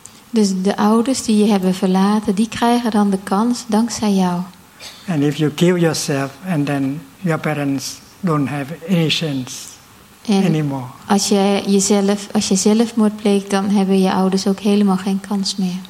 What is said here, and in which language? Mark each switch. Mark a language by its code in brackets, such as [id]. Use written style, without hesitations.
[nl] Dus de ouders die je hebben verlaten, die krijgen dan de kans dankzij jou. [en] And if you kill yourself and then your parents don't have any chance. [nl] En als je zelfmoord pleegt, dan hebben je ouders ook helemaal geen kans meer.